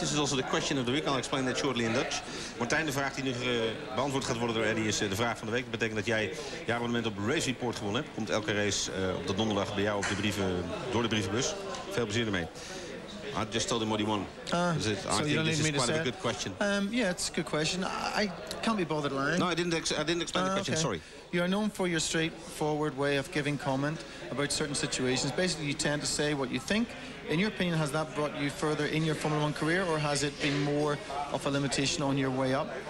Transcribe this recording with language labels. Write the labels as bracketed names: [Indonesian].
[English] This is also the question of the week. I'll explain that shortly in Dutch. [Dutch] Martijn, de vraag die nu beantwoord gaat worden door Eddie is de vraag van de week. Dat betekent dat jij jaarabonnement op Race Report gewonnen hebt. Komt elke race op de donderdag bij jou op de brieven, door de brievenbus. Veel plezier ermee. [English] I just told him what he won. I think this is quite a good question. It's a good question. I can't be bothered lying. No, I didn't explain the question, sorry. You are known for your straightforward way of giving comment about certain situations. Basically, you tend to say what you think. In your opinion, has that brought you further in your Formula One career, or has it been more of a limitation on your way up?